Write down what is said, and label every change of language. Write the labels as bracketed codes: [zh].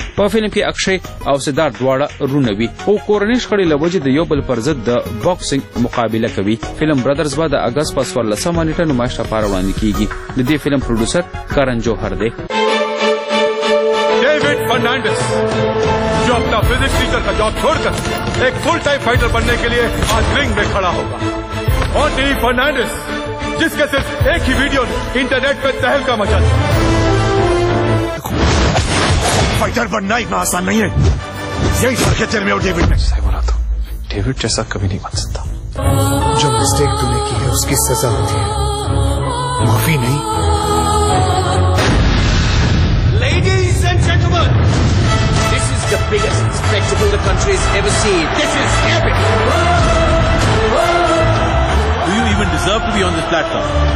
[ps] په فلم کې اکشے او سدارت دواړه رونه وی او کورنۍ شخړې له وجې د یو بل پر ضد د باکسنګ مقابله کوي. فلم بردرز به د اګست په 14 نیټه نمایش لپاره وړاندې کیږي. د دې فلم پروډوسر کرن جوهر دی. [ur] جو اپنا فزکس ٹیچر کا جاب چھوڑ کر ایک فل ٹائم فائٹر بننے کے لیے آج رنگ میں کھڑا ہوگا. اور ڈی فرنانڈس جس کے صرف ایک ہی ویڈیو نے انٹرنیٹ پہ تہلکہ مچا دیا. فائٹر بننا اتنا آسان نہیں ہے. یہی فرق ہے تیرے میں اور ڈیوڈ میں. صحیح بولا. تو ڈیوڈ جیسا کبھی نہیں بن سکتا. جو مسٹیک تم نے کی ہے اس کی سزا ہوتی ہے، معافی نہیں. Ladies and gentleman, [en] the biggest spectacle the country has ever seen. This is epic. Do you even deserve to be on this platform?